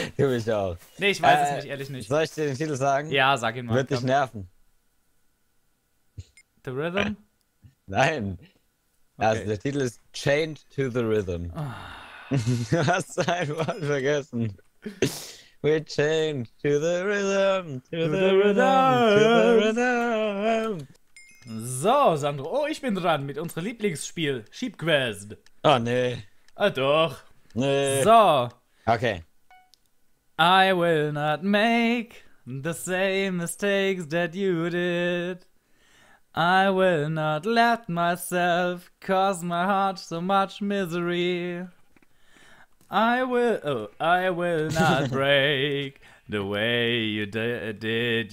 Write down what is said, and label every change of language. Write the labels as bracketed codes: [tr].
[de] Du mich auch. Nee, ich weiß es nicht, ehrlich nicht. Soll ich dir den Titel sagen? Ja, sag ihn mal. Wird dich nerven. [en] The Rhythm? [de] Nein. Okay. Also der Titel ist Chained to the Rhythm. Oh. Du hast ein Wort vergessen. [en] We're chained to the rhythm, to the rhythm. [de] So, Sandro. Oh, ich bin dran mit unserem Lieblingsspiel, Sheep Quest. Oh, nee. Ah, doch. Nee. So. Okay. [en] I will not make the same mistakes that you did. I will not let myself cause my heart so much misery. I will not break the way you did.